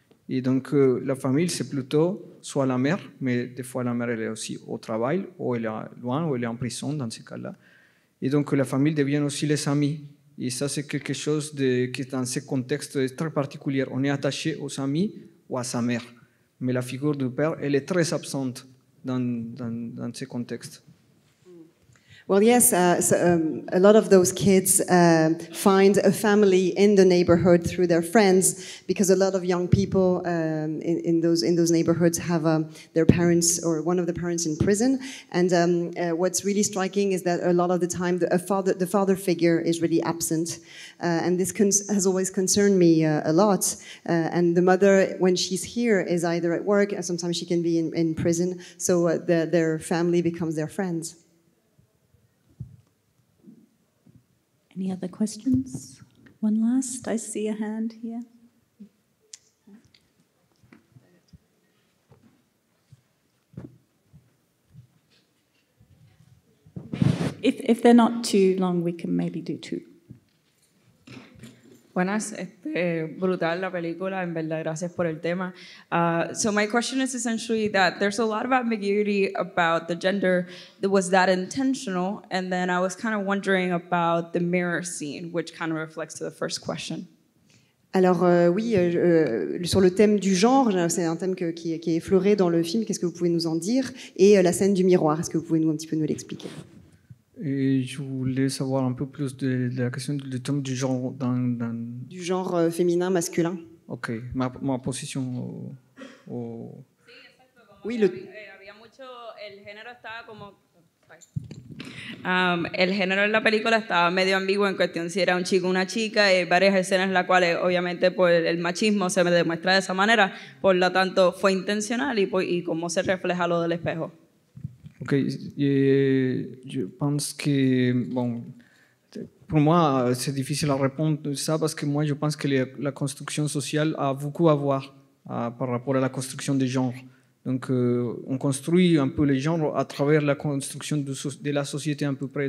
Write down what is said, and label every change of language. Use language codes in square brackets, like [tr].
[fr] Et donc, la famille, c'est plutôt soit la mère, mais des fois, la mère, elle est aussi au travail, ou elle est loin, ou elle est en prison, dans ce cas-là. Et donc, la famille devient aussi les amis. Et ça, c'est quelque chose qui, dans ce contexte, est très particulier. On est attaché aux amis ou à sa mère. Mais la figure du père, elle est très absente dans ce contexte. [en] Well, yes, a lot of those kids find a family in the neighborhood through their friends, because a lot of young people in those neighborhoods have their parents or one of the parents in prison. And what's really striking is that a lot of the time the father figure is really absent. And this has always concerned me a lot. And the mother, when she's here, is either at work, and sometimes she can be in prison. So their family becomes their friends. Any other questions? One last, I see a hand here. If they're not too long, we can maybe do two. [es] Buenas, brutal la película, en verdad, gracias por el tema. [en] So my question is essentially that there's a lot of ambiguity about the gender. Was that intentional? And then I was kind of wondering about the mirror scene, which kind of reflects to the first question. [fr] Alors oui, sur le thème du genre, c'est un thème qui est effleuré dans le film. Qu'est-ce que vous pouvez nous en dire? Et la scène du miroir, est-ce que vous pouvez nous un petit peu nous l'expliquer? Et je voulais savoir un peu plus de la question du thème du genre dans... Du genre féminin, masculin. Ok, ma position au... [es] Oui, el género en la película estaba medio ambiguo en cuestión si era un chico o una chica, y varias escenas en las cuales obviamente pues, el machismo se me demuestra de esa manera, por lo tanto fue intencional y cómo se refleja lo del espejo. [fr] Ok, je pense que, bon, pour moi, c'est difficile à répondre à ça parce que moi, je pense que la construction sociale a beaucoup à voir par rapport à la construction des genres. Donc, on construit un peu les genres à travers la construction de la société à peu près.